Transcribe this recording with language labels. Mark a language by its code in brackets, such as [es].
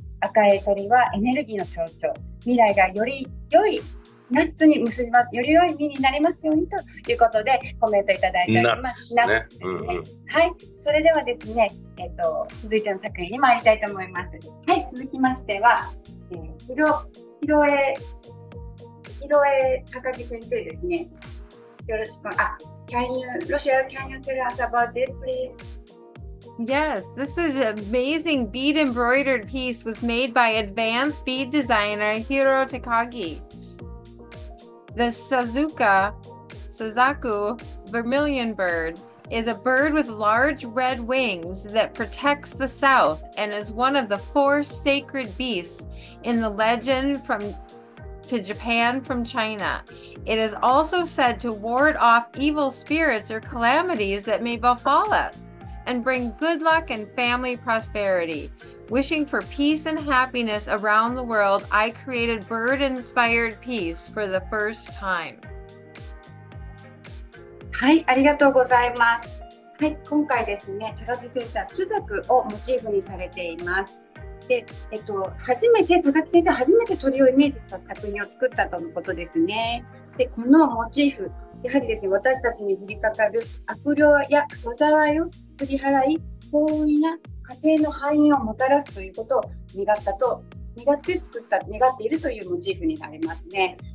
[ja] 赤い鳥はエネルギーの象徴、未来がより良いナッツに結びます、より良い実になりますようにということでコメントいただいております。 ナッツですね、はい、それではですね、続いての作品に参りたいと思います。はい、続きましては、広江高木先生ですね。よろしく、あ、 [en] can you tell us about this, please? Yes, this is an amazing bead embroidered piece was made by advanced bead designer Hiro Takagi. The Suzaku vermilion bird is a bird with large red wings that protects the south and is one of the four sacred beasts in the legend from to Japan from China. It is also said to ward off evil spirits or calamities that may befall us. And bring good luck and family prosperity. Wishing for peace and happiness around the world, I created bird-inspired peace for the first time. [ja] はい、ありがとうございます。はい、今回ですね、高木先生はスザクをモチーフにされています。で、高木先生初めて鳥をイメージした作品を作ったとのことですね。で、このモチーフ、やはりですね、私たちに降りかかる悪霊や災いを振り払い、幸運な家庭の繁栄をもたらすということを願ったと、願っているというモチーフになりますね。